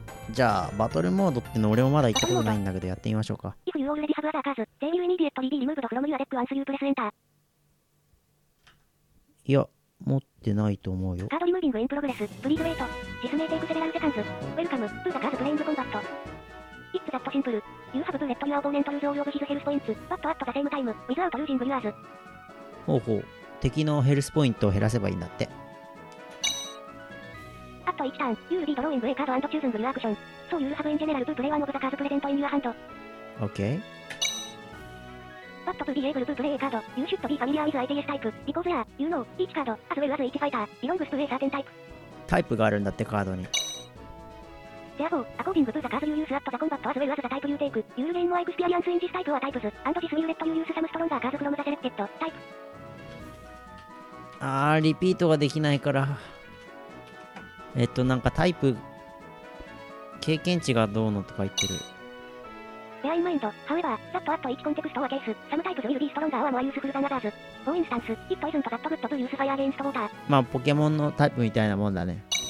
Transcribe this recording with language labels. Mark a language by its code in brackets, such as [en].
[ja] じゃあバトルモードっての俺もまだ行ったことないんだけどやってみましょうか。 [en] If you already have other cards, then you immediately be removed from your deck once you press enter。 [ja] いや、持ってないと思うよ。 [en] カードリムービングインプログレス。プリーズウェイト。ディスメイテイクセベラルセカンズ。ウェルカムトゥザカーズプレインズコンバット。 It's that simple. You have to let your opponent lose all of his health points, but at the same time, without losing yours. [ja] ほうほう。敵のヘルスポイントを減らせばいいんだって。 [en] At each turn, you'll be drawing a card and choosing your action. So you'll have in general to play one of the cards present in your hand. Okay. But to be able to play a card, you should be familiar with ITS type, because there, you know, each card, as well as each fighter, belongs to a certain type. [ja] タイプがあるんだってカードに。 [en] Therefore, according to the cards you use at the combat as well as the type you take, you'll gain more experience in this type or types, and this will let you use some stronger cards from the selected type. [ja] あー、リピートができないから。なんかタイプ、経験値がどうのとか言ってる。 [en] Bear in mind, however, that at each context or case, some types will be stronger or more useful than others. For instance, it isn't that good to use fire against water. [ja] まあ、ポケモンのタイプみたいなもんだね。